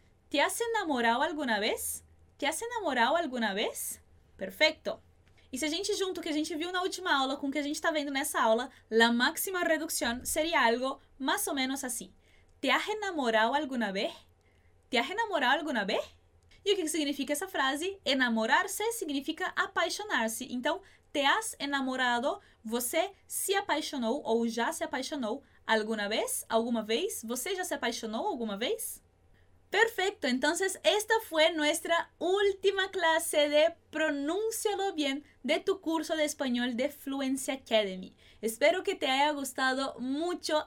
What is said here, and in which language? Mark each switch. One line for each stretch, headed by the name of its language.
Spanish: ¿Te has enamorado alguna vez? ¿Te has enamorado alguna vez? Perfecto. Y si
Portuguese: a gente junta o que a gente
Spanish: vio na última aula con o que a gente está viendo nessa aula, la máxima reducción sería algo más o menos así. ¿Te has enamorado alguna vez? ¿Te has enamorado alguna vez?
Portuguese: E o que significa essa frase? Enamorar-se significa apaixonar-se. Então,
Spanish: te has enamorado,
Portuguese: você se apaixonou ou já se apaixonou alguma vez? Alguma vez? Você já se apaixonou alguma vez? Perfeito! Então, esta foi nossa última classe de Pronúncialo Bien de tu curso de espanhol de Fluency Academy.
Spanish: Espero que te haya gustado mucho.